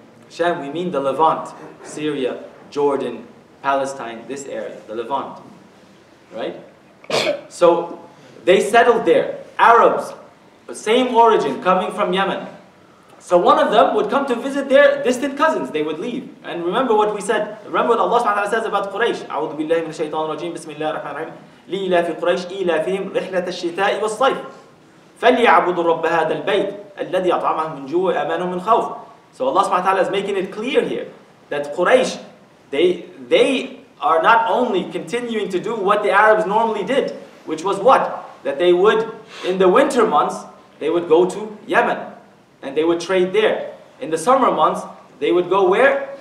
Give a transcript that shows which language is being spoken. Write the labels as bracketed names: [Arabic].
[English] Sham, we mean the Levant, Syria, Jordan, Palestine, this area, the Levant, right? So they settled there, Arabs, the same origin, coming from Yemen. So one of them would come to visit their distant cousins. They would leave. And remember what we said. Remember what Allah subhanahu wa ta'ala says about Quraysh. [Arabic] أعوذ بالله من الشيطان الرجيم بسم الله الرحمن الرحيم لإله في قريش إله فيهم رحلة الشتاء والصيف فليعبدوا رب هذا البيت الذي أطعمهم من جوع وآمنهم من خوف. [English] So Allah subhanahu wa ta'ala is making it clear here that Quraysh, they are not only continuing to do what the Arabs normally did, which was what? That they would, in the winter months, they would go to Yemen. And they would trade there. In the summer months, they would go where?